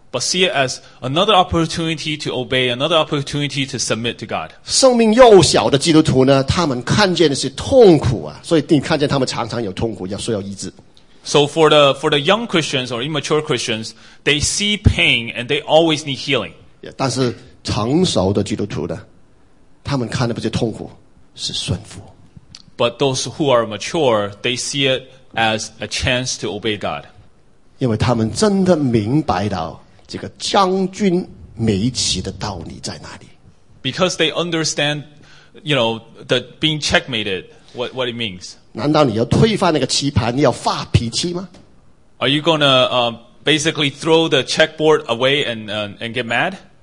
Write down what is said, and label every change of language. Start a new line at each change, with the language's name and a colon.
English: But see it as another opportunity to obey, another opportunity to submit to God.
Chinese: 生命幼小的基督徒呢,他们看见的是痛苦啊,所以你看见他们常常有痛苦,要需要医治。
English: So for the young Christians or immature Christians, they see pain and they always need healing.
Chinese: Yeah, 但是成熟的基督徒呢,他们看的不是痛苦,是顺服。
English: But those who are mature, they see it as a chance to obey God.
Chinese: 因为他们真的明白到这个将军没起的道理在哪里。
English: Because they understand, you know, the being checkmated, what it means.
Chinese: 难道你要推翻那个棋盘,你要发脾气吗?
English: Are you going to basically throw the checkboard away and get mad?